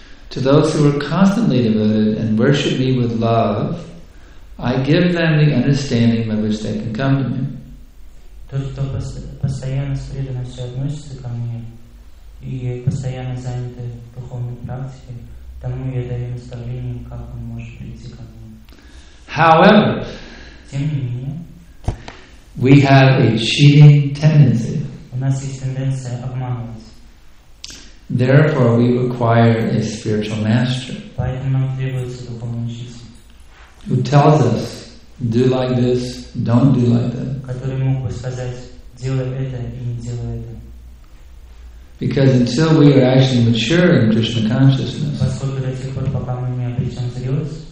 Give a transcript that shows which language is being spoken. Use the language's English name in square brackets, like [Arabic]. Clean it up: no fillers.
[English] To those who are constantly devoted and worship me with love, I give them the understanding by which they can come to me. [Russian] Тот, кто постоянно с преданностью относится ко мне и постоянно занят духовной практикой, тому я даю наставление, как он может прийти ко мне. [English] However, [Russian] тем не менее, [English] we have a cheating tendency. [Russian] У нас есть тенденция обманывать. [English] Therefore, we require a spiritual master. [Russian] Поэтому нам требуется духовный учитель. [English] Who tells us, do like this, don't do like that. [Russian] Который мог бы сказать, делай это и не делай это. [English] Because until we are actually mature in Krishna consciousness, [Russian] поскольку до тех пор, пока мы не обретем зрелость,